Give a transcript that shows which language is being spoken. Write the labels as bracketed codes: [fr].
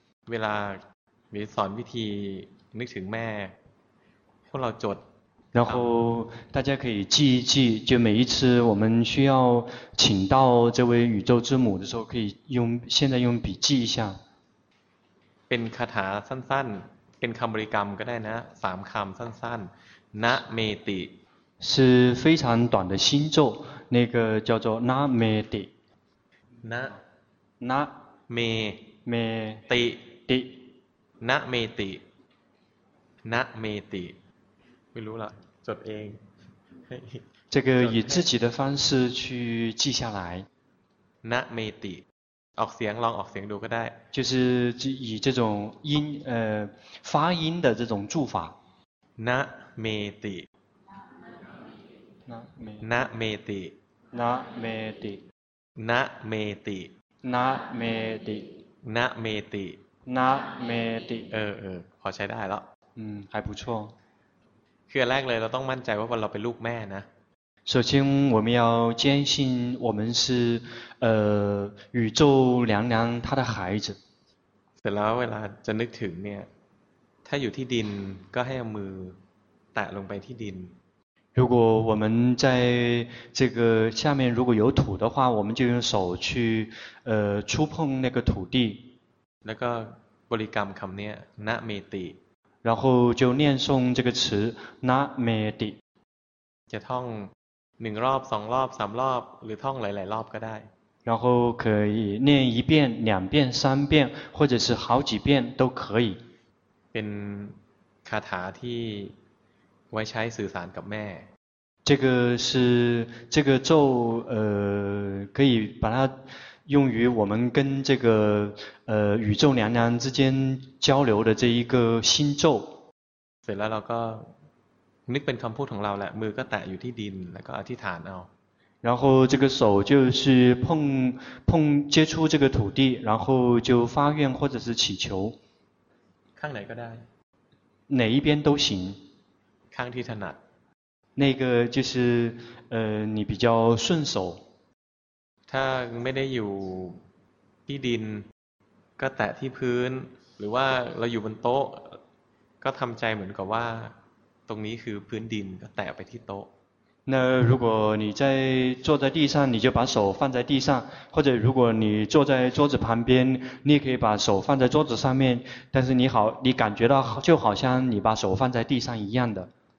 [th] เวลามีสอนวิธีนึกถึงแม่พวกเราจด [zh] 然后大家可以记一记就每一次我们需要请到这位宇宙之母的时候可以用现在用笔记一下 [th] เป็นคาถาสั้นๆเป็นคำบริกรรมก็ได้นะสามคำสั้นๆนะเมติ [zh] 是非常短的心咒那个叫做นะเมติน [th] ะ เม ติ ติน ะเมตินะเมติไม่รู้ละจดเอง [zh] 这个以自己的方式去记下来 [th] นะเมติออกเสียงลองออกเสียงดูก็ได้ [zh] 就是以这种音发音的这种注法 [th] นะเมติน ะเมติน ะเมติน ะเมติน ะเมติน ะเมติน ะเมติ เออพอใช้ได้แล้ว [zh] 还不错 [th] คือแรกเลยเราต้องมั่นใจว่าเราเป็นลูกแม่นะ [zh] 首先我们要坚信我们是宇宙娘娘她的孩子。 [th] เสร็จแล้วเวลาจะนึกถึงเนี่ยถ้าอยู่ที่ดินก็ให้เอามือแตะลงไปที่ดิน [zh] 如果我们在这个下面如果有土的话我们就用手去触碰那个土地 [th] แล้วก็บริกรรมคำเนี่ยนะเมติ [zh] 然后就念诵这个词นะเมติ [th] จะท่อง1รอบ2รอบ3รอบหรือท่องหลายๆรอบก็ได้ [zh] 然后可以念一遍两遍三遍或者是好几遍都可以 [th] เป็นคาถาที่ไว้ใช้สื่อสารกับแม่ [zh] 这个是这个咒可以把它用于我们跟这个宇宙娘娘之间交流的这一个心咒 [th] เสร็จแล้วเราก็นึกเป็นคำพูดของเราแหละมือก็แตะอยู่ที่ดินแล้วก็อธิษฐานเอา [zh] 然后这个手就是碰接触这个土地然后就发愿或者是祈求 [th] ข้างไหนก็ได้ [zh] 哪一边都行 [th] ข้างที่ถนัด [zh] 那个就是你比较顺手 [th] ถ้าไม่ได้อยู่ที่ดินก็แตะที่พื้นหรือว่าเราอยู่บนโต๊ะก็ทำใจเหมือนกับว่าตรงนี้คือพื้นดินก็แตะไปที่โต๊ะ [zh] 那如果你在坐在地上你就把手放在地上或者如果你坐在桌子旁边你也可以把手放在桌子上面但是你感觉到就好像你把手放在地上一样的